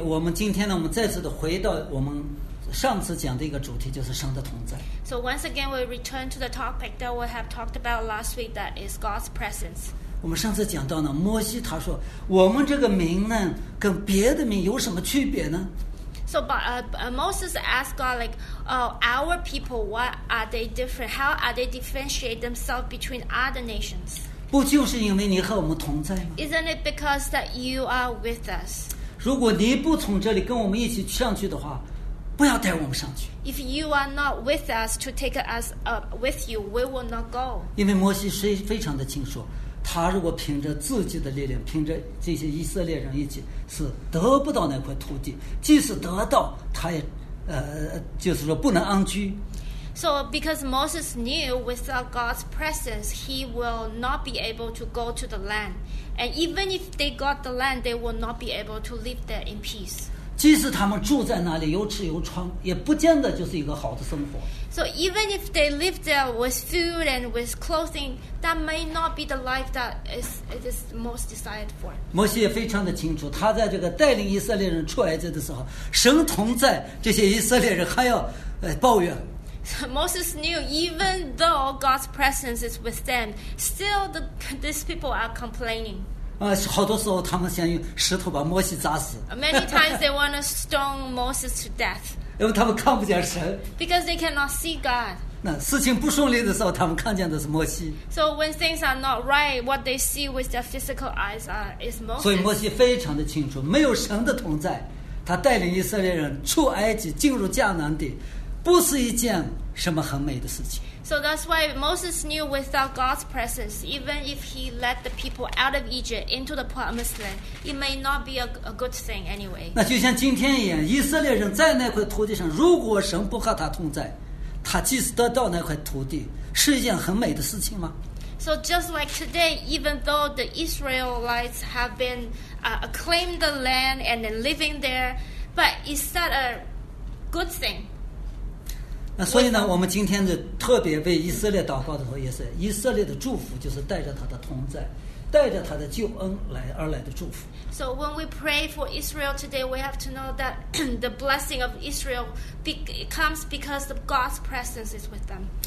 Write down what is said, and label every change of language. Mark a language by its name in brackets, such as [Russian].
[Chinese] 我们今天呢，我们再次的回到我们上次讲的一个主题，就是神的同在。 [English] So once again, we return to the topic that we have talked about last week, that is God's presence. [Chinese] 我们上次讲到呢，摩西他说，我们这个名呢，跟别的名有什么区别呢？ [English] So Moses asked God, like, oh, our people, what are they different? How are they differentiate themselves between other nations? [Chinese] 不就是因为你和我们同在吗？ [English] Isn't it because that you are with us? [Chinese] 如果你不从这里跟我们一起上去的话，不要带我们上去。 [English] If you are not with us to take us up with you, we will not go. [Chinese] 因为摩西非常的清楚，他如果凭着自己的力量，凭着这些以色列人一起，是得不到那块土地，即使得到，他也就是说不能安居。 [English] So because Moses knew without God's presence, he will not be able to go to the land. And even if they got the land, they will not be able to live there in peace. [Chinese] 即使他们住在那里有吃有穿，也不见得就是一个好的生活。 [English] So even if they live there with food and with clothing, that may not be the life that it is most desired for. [Chinese] 摩西也非常的清楚，他在这个带领以色列人出埃及的时候，神同在，这些以色列人还要抱怨。 [English] Moses knew even though God's presence is with them, still these people are complaining. [Chinese] 好多时候他们想用石头把摩西砸死。 [English] Many times they want to stone Moses to death. [Chinese] 因为他们看不见神。 [English] Because they cannot see God. [Chinese] 那事情不顺利的时候，他们看见的是摩西。 [English] So when things are not right, what they see with their physical eyes is Moses. [Chinese] 所以摩西非常的清楚，没有神的同在，他带领以色列人出埃及，进入迦南地，不是一件什么很美的事情。 [English] So that's why Moses knew without God's presence, even if he led the people out of Egypt into the promised land, it may not be a good thing anyway. [Chinese] 那就像今天一样，以色列人在那块土地上，如果神不和他同在，他即使得到那块土地，是一件很美的事情吗？ [English] So just like today, even though the Israelites have been acclaimed the land and then living there, but is that a good thing? [Chinese] 那所以呢，我们今天的特别为以色列祷告的时候，也是以色列的祝福，就是带着他的同在，带着他的救恩来而来的祝福。 [English] So when we pray for Israel today, we have to know that the blessing of Israel comes because of God's presence is with them.